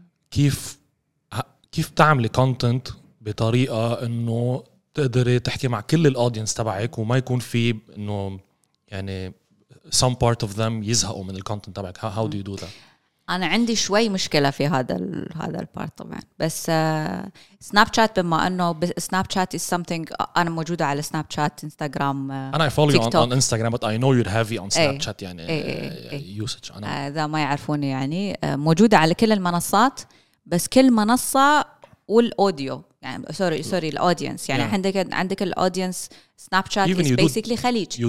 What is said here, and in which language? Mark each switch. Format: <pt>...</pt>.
<ar>كيف تعملي كونتنت بطريقة إنه تقدري تحكي مع كل الأودينس تبعك وما يكون في إنه يعني</ar> <en>some part of them</en> <ar>يزهقوا من الكونتنت تبعك؟</ar> <en>how do you do that؟</en> <ar>أنا عندي شوي مشكلة في هذا البارت طبعًا. بس سناب شات، بما إنه سناب شات</ar> <en>is something،</en> <ar>أنا موجودة على سناب شات، إنستغرام،</ar> <en>أنا I follow TikTok. you on Instagram but I know you're heavy on Snapchat.</en> <ar>يعني usage أنا إذا ما يعرفوني يعني موجودة على كل المنصات، بس كل منصة والأوديو يعني sorry الأودينس يعني yeah. عندك الأودينس سناب شات</ar> <en>is basically</en> <ar>خليج.</ar>